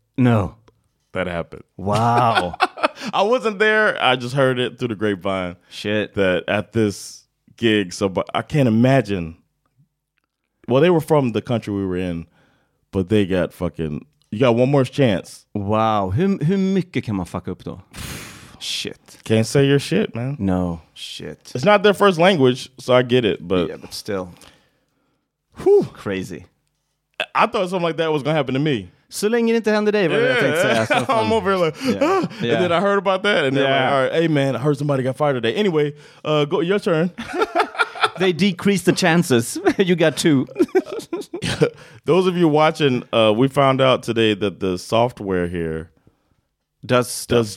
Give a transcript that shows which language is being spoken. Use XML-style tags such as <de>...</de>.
<en>No. That happened. Wow. I wasn't there. I just heard it through the grapevine. Shit. That at this gig, I can't imagine. Well, they were from the country we were in, but they got fucking... You got one more chance. Wow.</en> <sv>Hur mycket kan man</sv> <en>fuck up</en> <sv>då?</sv> <en>Shit. Can't say your shit, man. No. Shit. It's not their first language, so I get it, but... Yeah, but still. Whew. Crazy. I thought something like that was going to happen to me.</en> <sv>Så länge det inte händer dig, vad jag tänkte säga.</sv> <en>I'm over here like, yeah. And then I heard about that, and they're like, all right, hey man, I heard somebody got fired today. Anyway, go your turn. They decreased the chances. You got two. Those of you watching, we found out today that the software here does</en>